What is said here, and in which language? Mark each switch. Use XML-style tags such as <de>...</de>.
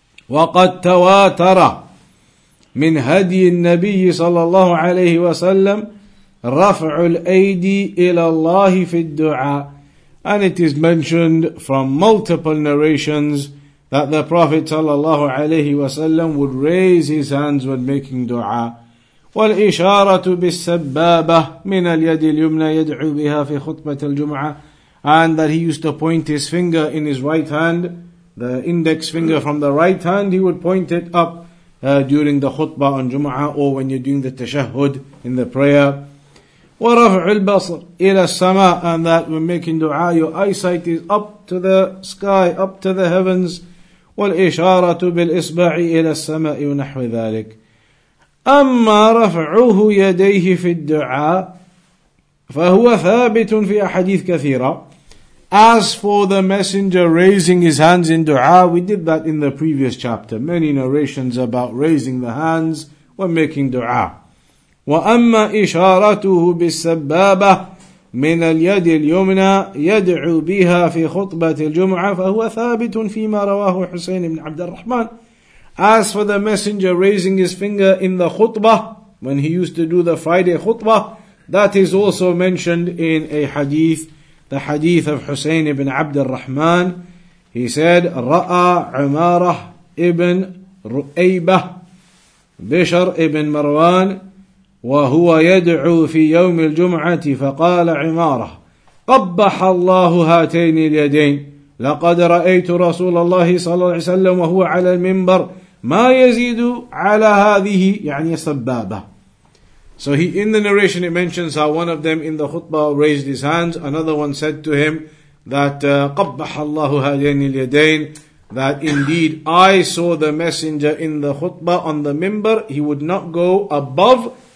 <ar>وَقَدْ تَوَاتَرَ مِنْ هَدْيِ النَّبِيِّ صَلَى اللَّهُ عَلَيْهِ وَسَلَّمْ رَفْعُ الْأَيْدِي إِلَى اللَّهِ فِي الدُّعَى.</ar> <en>And it is mentioned from multiple narrations that the Prophet</en> <ar>صَلَى اللَّهُ عَلَيْهِ وَسَلَّمْ</ar> <en>would raise his hands when making dua.</en> <ar>والإشارة بالسبابة من اليد اليمنى يدعو بها في خطبة الجمعة.</ar> <en>And that he used to point his finger in his right hand, the index finger from the right hand, he would point it up during the خطبة on Jum'ah, or when you're doing the تشهد in the prayer.</en> <ar>ورفع البصر إلى السماء.</ar> <en>And that when making dua, your eyesight is up to the sky, up to the heavens.</en> <ar>والإشارة بالإصبع إلى السماء ونحو ذلك. أما رفعه يديه في الدعاء فهو ثابت في أحاديث كثيرة.</ar> <en>As for the messenger raising his hands in dua, we did that in the previous chapter. Many narrations about raising the hands when making dua.</en> <ar>وأما إشارته بالسبابة من اليد اليمنى يدعو بها في خطبة الجمعة فهو ثابت فيما رواه حسين بن عبد الرحمن.</ar> <en>As for the messenger raising his finger in the khutbah, when he used to do the Friday khutbah, that is also mentioned in a hadith, the hadith of Husayn ibn Abd al-Rahman. He said,</en> <ar>Ra'a Umarah ibn Ru'aybah, Bishr ibn Marwan, wa huwa yad'u fi yawm al-jum'ati, faqala Umarah, qabbaha Allahu hatayn al-yadayn. لقد رأيت رسول الله صلى الله عليه وسلم وهو على المنبر ما يزيد على هذه يعني سبابة.</ar> <en>So he, in the narration it mentions how one of them in the khutbah raised his hands, another one said to him that</en> <ar>قبح الله هذين اليدين,</ar> <en>that indeed I saw the messenger in the khutbah on the minbar, he would not go above</en>